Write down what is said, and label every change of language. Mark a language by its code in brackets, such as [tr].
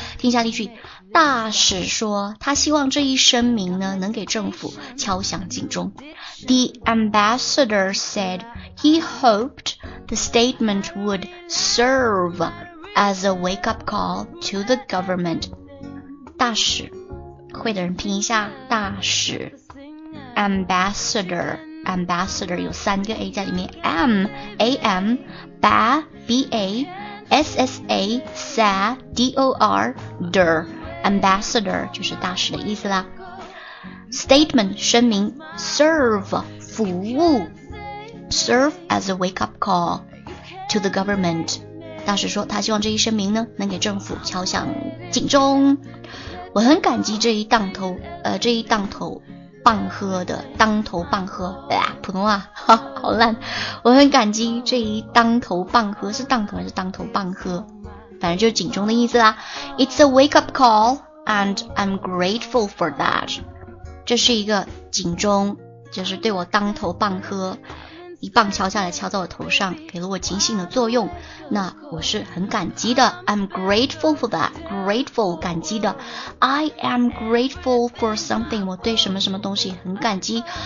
[zh] 听下例句，大使说他希望这一声明呢能给政府敲响警钟。 [en] The ambassador said he hoped the statement would serveAs a wake-up call to the government. [zh] 大使，会的人拼一下大使。 Ambassador, ambassador 有三个 A 在里面。 [en] M, A, M, ba, B, A, S, S, A, sa, D, O, R, der. [zh] Ambassador 就是大使的意思啦。Statement, 声明。 Serve, 服务。 [en] Serve as a wake-up call to the government. [zh] 大使说他希望这一声明呢能给政府敲响警钟。我很感激这一当头这一当头棒喝的当头棒喝、普通话好烂。我很感激这一当头棒喝，是当头还是当头棒喝，反正就是警钟的意思啦。 [en] It's a wake up call and I'm grateful for that. [zh] 这是一个警钟，就是对我当头棒喝，一棒敲下来敲在我头上，给了我警醒的作用，那我是很感激的。 [en] I'm grateful for that. Grateful, 感激的。I am grateful for something. [zh] 我对什么什么东西很感激。